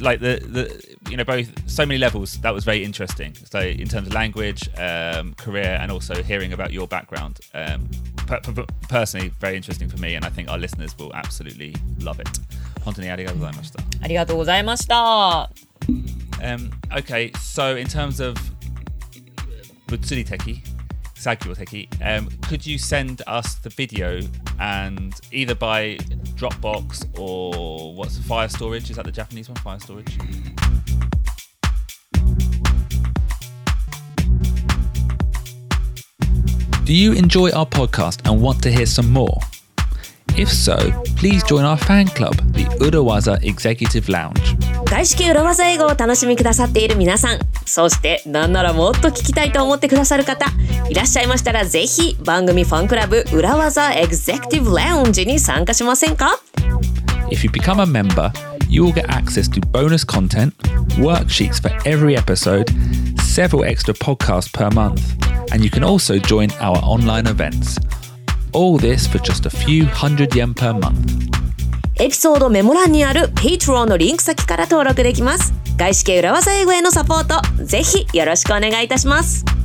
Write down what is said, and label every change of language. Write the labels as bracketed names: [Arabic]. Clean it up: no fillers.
[English] Like the, you know, both so many levels. That was very interesting. So in terms of language, career, and also hearing about your background, personally, very interesting for me, and I think our listeners will absolutely love it. [Japanese] 本当にありがとうございました。ありがとうございました。 [English] Okay, so in terms of [Japanese] 物理的作業的, [English] could you send us the video and either by Dropbox or what's Fire Storage? Is that the Japanese one? Fire Storage? Do you enjoy our podcast and want to hear some more? If so, please join our fan club, the Urawaza Executive Lounge. [Japanese] 外資系裏技英語を楽しみくださっている皆さん、そしてなんならもっと聞きたいと思ってくださる方いらっしゃいましたら、ぜひ番組ファンクラブ裏技エグゼクティブラウンジに参加しませんか。 [English] If you become a member, you will get access to bonus content, worksheets for every episode, several extra podcasts per month, and you can also join our online events. All this for just a few hundred yen per month. [Japanese] エピソードメモ欄にある Patreon のリンク先から登録できます。外資系裏技英語へのサポート、ぜひよろしくお願いいたします。